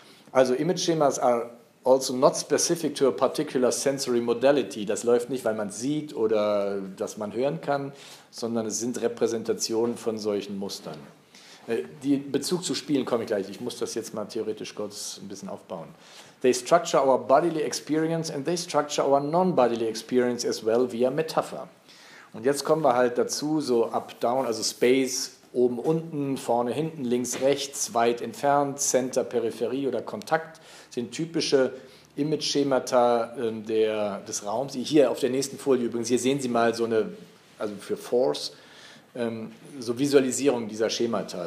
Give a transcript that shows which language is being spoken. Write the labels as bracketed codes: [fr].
[de] Also [en] Image-Schemas are also not specific to a particular sensory modality. [de] Das läuft nicht, weil man sieht oder dass man hören kann, sondern es sind Repräsentationen von solchen Mustern. Die Bezug zu Spielen komme ich gleich. Ich muss das jetzt mal theoretisch kurz ein bisschen aufbauen. [en] They structure our bodily experience and they structure our non-bodily experience as well via Metapher. [de] Und jetzt kommen wir halt dazu, so up, down, also Space, oben, unten, vorne, hinten, links, rechts, weit, entfernt, Center, Peripherie oder Kontakt sind typische Image-Schemata des Raums. Hier auf der nächsten Folie übrigens, hier sehen Sie mal so eine, also für Force, so Visualisierung dieser Schemata.